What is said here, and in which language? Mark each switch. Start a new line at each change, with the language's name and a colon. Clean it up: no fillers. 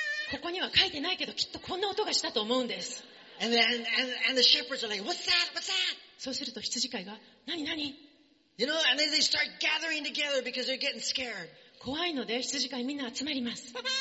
Japanese: ここには書いてないけどきっとこんな音がしたと思うんです。
English: And the shepherds are like, What's that? What's that?
Japanese: そうすると羊飼いが、何何
English: ？You know, and then they start gathering together because they're getting scared.
Japanese: 怖いので羊飼いみんな集まります。